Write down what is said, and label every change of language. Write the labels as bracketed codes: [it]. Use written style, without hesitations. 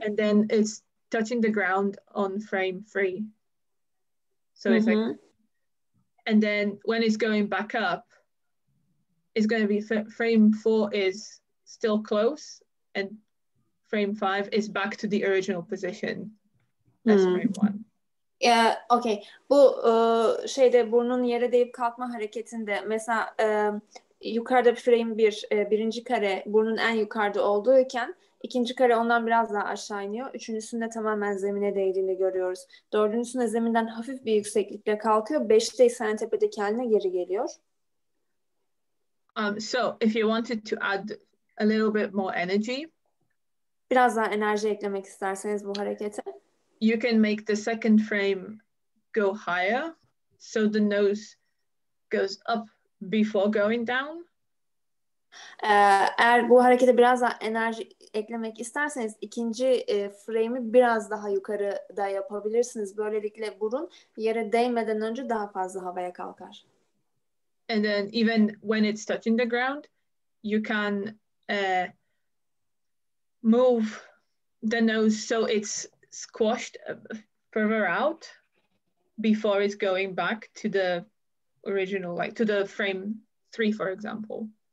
[en] And then it's touching the ground on frame 3. So mm-hmm. It's like, and then when it's going back up, it's going to be frame 4 is still close and frame 5 is back to the original position. That's frame 1. Yeah, okay. [tr] Bu şeyde burnun yere değip kalkma hareketinde mesela yukarıda frame 1, birinci kare burnun en yukarıda olduğuyken ikinci kare ondan biraz daha aşağı iniyor. Üçüncüsünde tamamen zemine değdiğini görüyoruz. Dördüncüsünde zeminden hafif bir yükseklikle kalkıyor. Beşte ise en tepede kendine geri geliyor. [en] So if you wanted to add a little bit more energy. [tr] Biraz daha enerji eklemek isterseniz bu harekete. [en] You can make the second frame go higher, so the nose goes up before going down. [tr] Eğer bu harekete biraz daha enerji eklemek isterseniz, ikinci frame'i biraz daha yukarıda yapabilirsiniz. Böylelikle burun yere değmeden önce daha fazla havaya kalkar. [en] And then even when it's touching the ground, you can move the nose so it's squashed further out before it's going back to the original, like to the frame 3, for example.